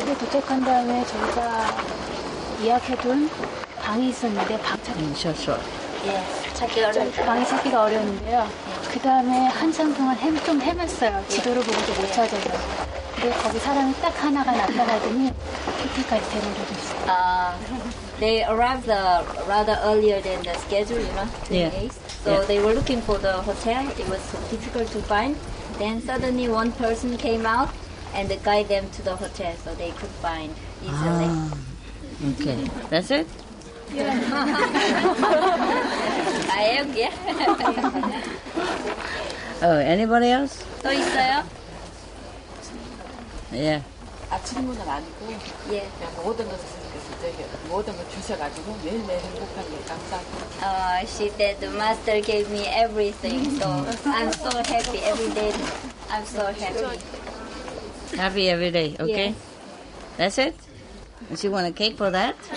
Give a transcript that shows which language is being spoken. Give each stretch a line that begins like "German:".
Korean: 여기 도착한 다음에 저희가 예약해둔 방이 있었는데 방 찾기.
English: Sure.
Korean: 예, 방 찾기가 어려웠는데요. 그 다음에 한참 동안 좀 헤맸어요. 지도를 보고도 못 찾아서. 근데 거기 사람이 딱 하나가 나타나더니 PT까지 데리고 있어요.
English: They arrived rather earlier than the schedule, you know, 28. Yeah. So they were looking for the hotel. It was so difficult to find. Then suddenly one person came out and guide them to the hotel so they could find easily. Okay. That's it? Yeah. I am, yeah. Oh, anybody else?
Korean: 또 있어요?
English: Yeah.
Korean: 아침문은 아니고 예 모든 것을 주셔서 모든 걸 주셔가지고 매일매일 행복하게 감사합니다.
English: She said the master gave me everything, so I'm so happy every day. I'm so happy. Happy every day. Okay. Yes. That's it. You want a cake for that?